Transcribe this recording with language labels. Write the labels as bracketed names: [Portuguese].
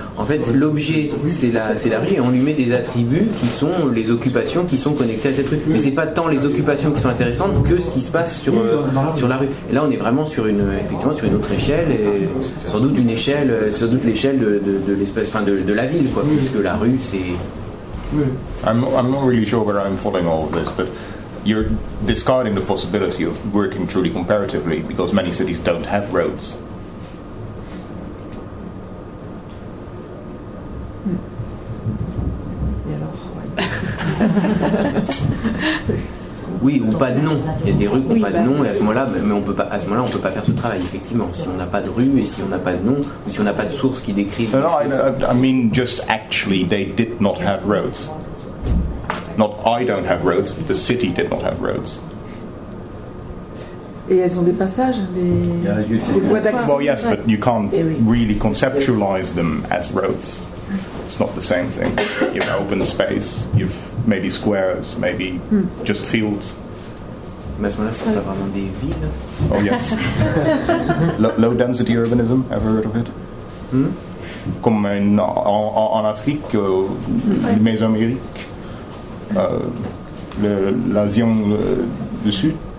[French] En fait, l'objet, c'est la rue, et on lui met des attributs qui sont les occupations qui sont connectées à cette rue. Mais c'est pas tant les occupations qui sont intéressantes que ce qui se passe sur la rue. Et là, on est vraiment sur une autre échelle, et sans doute l'échelle de l'espace, enfin de la ville, quoi, puisque la rue, c'est. [English] I'm not really sure where I'm following all of this, but you're discarding the possibility of working truly comparatively because many cities don't have roads. [French] Oui, ou pas de nom. Il y a des rues qui n'ont pas de nom, et à ce moment-là, on peut pas faire ce travail, effectivement. Si on n'a pas de rue, et si on n'a pas de nom, ou si on n'a pas de source qui décrit. [English] No, I mean, just actually, they did not have roads. Not I don't have roads, but the city did not have roads. [French] Et elles ont des passages, des voies d'accès. [English] Well, yes, but you can't really conceptualize them as roads. It's not the same thing. You have open space, you have maybe squares, maybe just fields. [French] Mais à ce moment-là, ce n'est pas vraiment des villes. [English] Oh, yes. Low density urbanism, ever heard of it? [French] Comme en Afrique, les Mésoamériques. L'Asie du Sud.